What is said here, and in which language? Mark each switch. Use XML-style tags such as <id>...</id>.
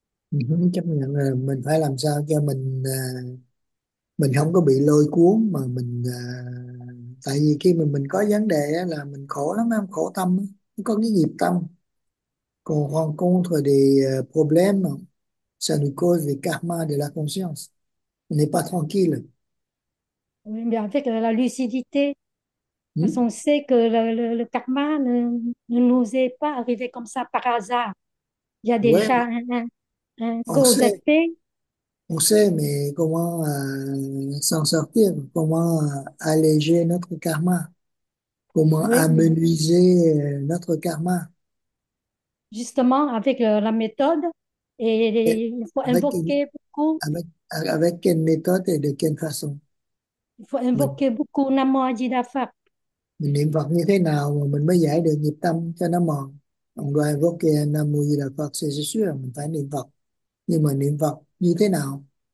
<vi>Mình chấp nhận là mình phải làm sao cho mình không có bị lôi cuốn mà mình tại vì khi mà mình có vấn đề là mình khổ lắm em, khổ tâm có cái nghiệp tâm, còn hoàn công thời thì problem không.</vi> <fr>Ça nous cause des karmas de la conscience. On n'est pas tranquille. Oui, mais en fait, la lucidité. Parce qu'on sait que le karma ne nous est pas arrivé comme ça par hasard. Il y a Ouais. déjà un cause-effet. On sait, mais comment s'en sortir? Comment alléger notre karma? Comment Oui, mais amenuiser notre karma? justement, avec la méthode, il faut invoquer beaucoup. Avec quelle méthode et de quelle façon Il faut invoquer beaucoup Namo Ajita Phật.</fr> <vi>mình niệm Phật như thế nào mà mình mới giải được nghiệp tâm cho nó mòn. Ông đoài vô kia Nam Mô Di Đà Phật sẽ sửa, mình phải niệm Phật, nhưng mà niệm Phật như thế nào?</vi>